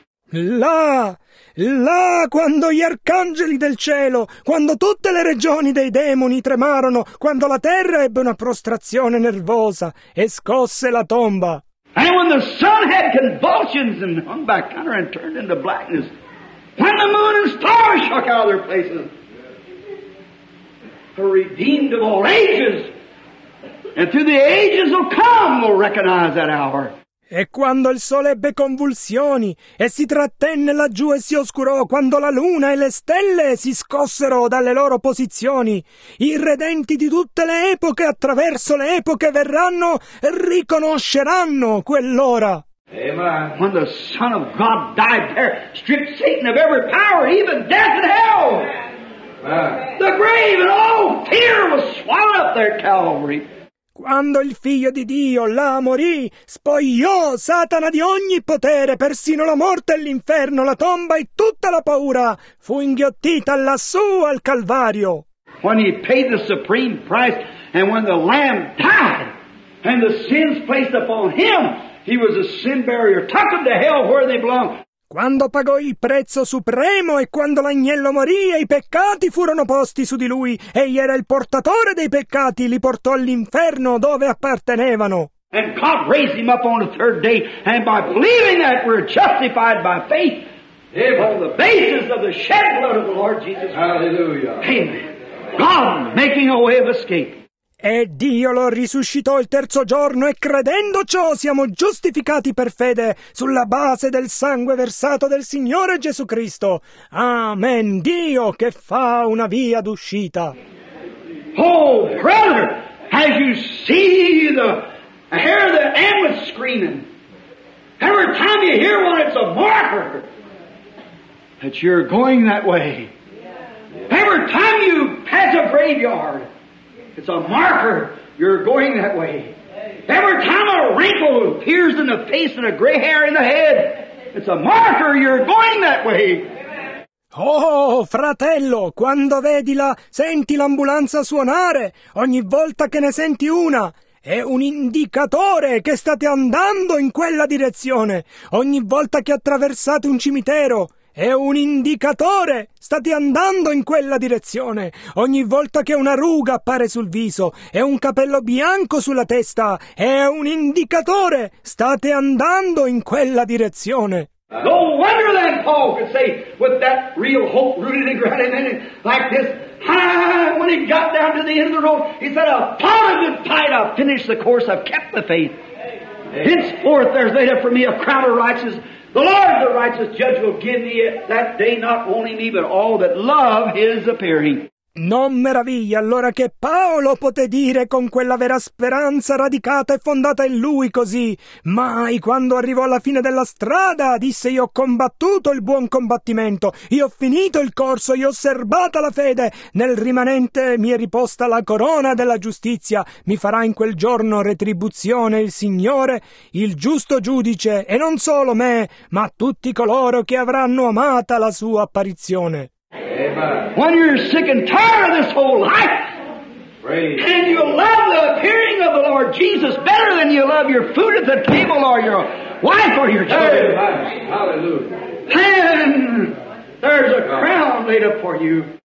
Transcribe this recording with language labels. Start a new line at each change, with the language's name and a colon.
Italian: Là, là, quando gli arcangeli del cielo, quando tutte le regioni dei demoni tremarono, quando la terra ebbe una prostrazione nervosa e scosse la tomba.
English: And when the sun had convulsions and hung back under and turned into blackness, when the moon and stars shook out of their places, the redeemed of all ages, and through the ages will come, will recognize that hour.
Italian: E quando il sole ebbe convulsioni e si trattenne laggiù e si oscurò, quando la luna e le stelle si scossero dalle loro posizioni, i redenti di tutte le epoche attraverso le epoche verranno e riconosceranno quell'ora.
English: When the Son of God died there, stripped Satan of every power, even death and hell. The grave and all fear was swallowed up there at Calvary.
Italian: Quando il Figlio di Dio là morì, spogliò Satana di ogni potere, persino la morte e l'inferno, la tomba e tutta la paura, fu inghiottita lassù al Calvario.
English: When he paid the supreme price, and when the Lamb died, and the sins placed upon him, he was a sin barrier, took them to hell where they belong.
Italian: Quando pagò il prezzo supremo e quando l'agnello morì e i peccati furono posti su di lui, egli era il portatore dei peccati, li portò all'inferno dove appartenevano.
English: And God raised him up on the third day, and by believing that we're justified by faith, on the basis of the shed blood of the Lord Jesus Christ. Hallelujah. Amen. God making a way of escape.
Italian: E Dio lo risuscitò il terzo giorno e credendo ciò siamo giustificati per fede sulla base del sangue versato del Signore Gesù Cristo. Amen. Dio che fa una via d'uscita.
English: Oh, brother, as you see the hear the ambulance screaming, every time you hear one, it's a marker that you're going that way. Every time you pass a graveyard, it's a marker you're going that way. Every time a wrinkle appears in the face and a gray hair in the head, it's a marker you're going that way.
Italian: Oh, fratello, quando vedi la, senti l'ambulanza suonare, ogni volta che ne senti una, è un indicatore che state andando in quella direzione. Ogni volta che attraversate un cimitero, è un indicatore! State andando in quella direzione! Ogni volta che una ruga appare sul viso e un capello bianco sulla testa, è un indicatore! State andando in quella direzione!
English: No wonder that Paul could say, with that real hope rooted and grounded in it, like this, when he got down to the end of the road, he said, upon a good tide I've finished the course, I've kept the faith. Henceforth there's laid up for me a crown of righteousness, the Lord, the righteous judge, will give me that day not only me, but all that love his appearing.
Italian: Non meraviglia allora che Paolo poté dire con quella vera speranza radicata e fondata in lui così. Mai quando arrivò alla fine della strada, disse, io ho combattuto il buon combattimento, io ho finito il corso, io ho serbata la fede, nel rimanente mi è riposta la corona della giustizia, mi farà in quel giorno retribuzione il Signore, il giusto giudice, e non solo me, ma tutti coloro che avranno amata la sua apparizione.
English: When you're sick and tired of this whole life, praise, and you love the appearing of the Lord Jesus better than you love your food at the table or your wife or your children, hallelujah, then there's a crown laid up for you.